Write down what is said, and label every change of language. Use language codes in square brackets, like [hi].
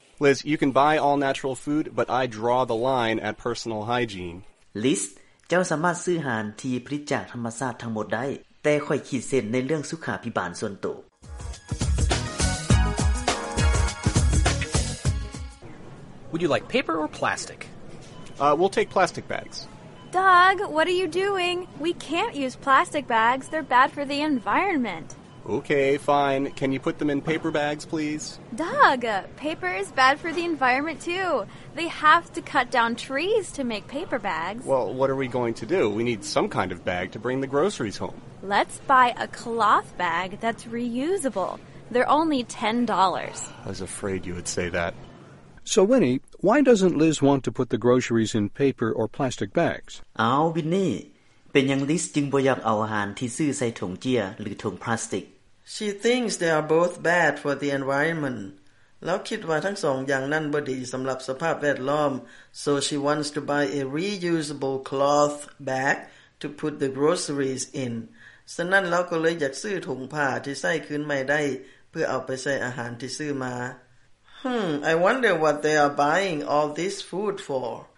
[en] Liz you can buy all natural food but I draw the line at personal hygiene [th] Liz เจ้าสามารถซื้ออาหารที่ผลิตจากธรรมชาติทั้งหมดได้แต่ข้อยขีดเส้นในเรื่องสุขาภิบาลส่วนตัว [en] Would you like paper or plastic? We'll take plastic bags. Doug, what are you doing? We can't use plastic bags. They're bad for the environment. Okay, fine. Can you put them in paper bags, please? Doug, paper is bad for the environment, too. They have to cut down trees to make paper bags. Well, what are we going to do? We need some kind of bag to bring the groceries home. Let's buy a cloth bag that's reusable. They're only $10. I was afraid you would say that. So Winnie, why doesn't Liz want to put the groceries in paper or plastic bags? [th] เอา Winnie เป็นอย่างลิซจึงบ่อยากเอาอาหารที่ซื้อใส่ถุงเจียหรือถุงพลาสติก [en] She thinks they are both bad for the environment. [th] แล้วคิดว่าทั้งสองอย่างนั้นบ่ดีสําหรับสภาพแวดล้อม [en] So she wants to buy a reusable cloth bag to put the groceries in. [th] ฉะนั้นเราก็เลยอยากซื้อถุงผ้าที่ใช้คืนใหม่ได้เพื่อเอาไปใส่อาหารที่ซื้อมา [en] I wonder what they are buying all this food for.